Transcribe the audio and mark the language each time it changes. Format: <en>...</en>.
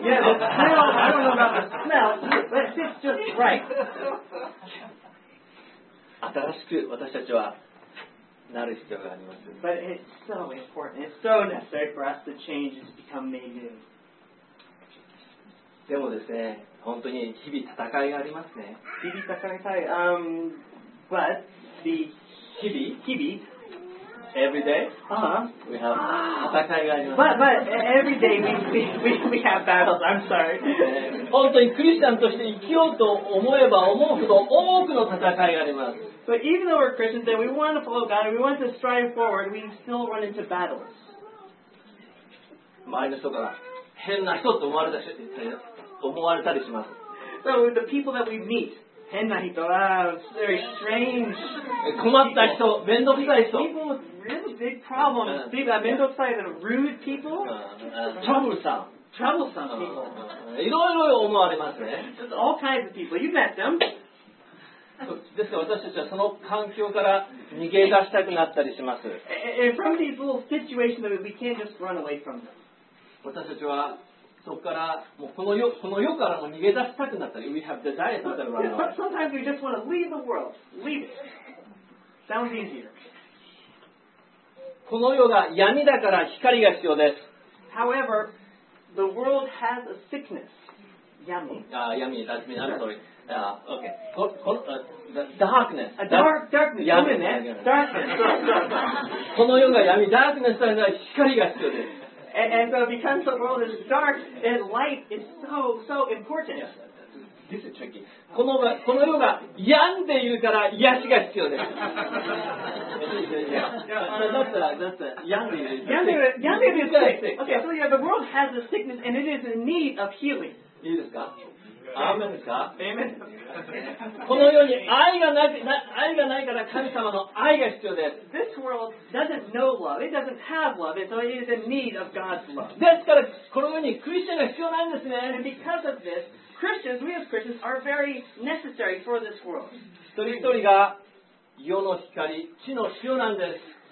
<en>Yeah, the smell. I don't know about the smell, but it fits just right.</en> <ja>新しく私たちはなる必要があります。</ja> <en>But it's so important. It's so necessary for us to change and become made new.</en> <ja>でもですね。本当に日々戦いがありますね。日々戦いたい。</ja> <en>But the</en> <ja>日々</ja> <en>every day we have</en> <ja>戦いがあります。</ja> <en>But every day we have battles. I'm sorry.</en> <ja>本当にクリスチャンとして生きようと思えば思うほど多くの戦いがあります。</ja> <en>But even though we're Christians and we want to follow God and we want to strive forward, we still run into battles.</en> <ja>周りの人から変な人と思われたし。思われたりします。</ja> <en>So the people that we meet,</en> <ja>変な人、</ja> <en>very strange.</en> <ja>困った人、面倒くさい人。</ja> <en>People with really big problems, people that</en> <ja>面倒くさい、</ja> <en>that rude people. Troublesome people.</en> <ja>いろいろ思われますね。</ja> <en>Just all kinds of people. You met them.</en> <ja>ですから私たちはその環境から逃げ出したくなったりします。</ja> <en>And from these little situations, we can't just run away from them.</en> <ja>私たちはそこからもうこの世からも逃げ出したくなったり、</ja> <en>we have desire to run away. But sometimes we just want to leave the world. Leave it. Sounds easier.</en> <ja>この世が闇だから光が必要です。</ja> <en>However, the world has a sickness.</en> <ja>闇。闇。</ja> <en>That's me. I'm sorry. Darkness. A darkness.</en> <ja>闇ね。</ja> <en>Darkness.</en> <ja>この世が闇、</ja> <en>darkness</en> <ja>だから光が必要です。</ja> <en>And so because the world is dark, then light is so, so important. Yes, this is tricky.</en> <ja>この世が病んでいるから癒しが必要です。病んでいる。病んでいる。</ja> <en>Okay, so yeah, the world has a sickness and it is in need of healing.</en> <ja>いいですか？アーメンですか？アーメン。この世に愛がないから神様の愛が必要です。</ja> <en>This world doesn't know love. It doesn't have love. And so it is in need of God's love.</en> <ja>ですから、この世にクリスチャンが必要なんですね。</ja> <en>And because of this, Christians, we as Christians, are very necessary for this world.</en> <ja>一人一人が世の光、地の塩なんです。</ja>